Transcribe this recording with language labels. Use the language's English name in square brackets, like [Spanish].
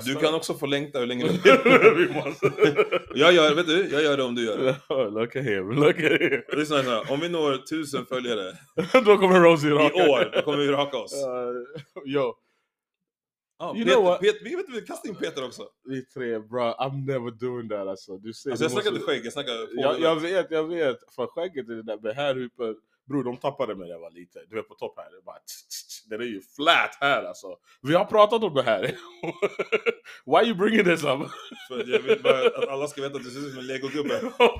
[Swedish] du det. Du kan också få längta hur länge du vill. Vi måste. Jag gör det om du gör det. [English] Look at him. [Swedish] Lyssna så här, om vi når 1000 följare. Då kommer Rosie raka. I år, då kommer vi raka oss. Yo. Vi kastar in Peter också. Vi tre, bro, [English] I'm never doing that [Swedish] alltså. Du ser, alltså jag snackar inte skägg, jag snackar på. Jag vet, för skägget är det där. Men här uppe, bro, de tappade mig när jag var lite. Du är på topp här, det är ju flat här alltså. Vi har pratat om det här. [English] Why are you bringing this up? [Swedish] För jag vill bara att alla ska veta att du ser ut som en Lego-gubbe.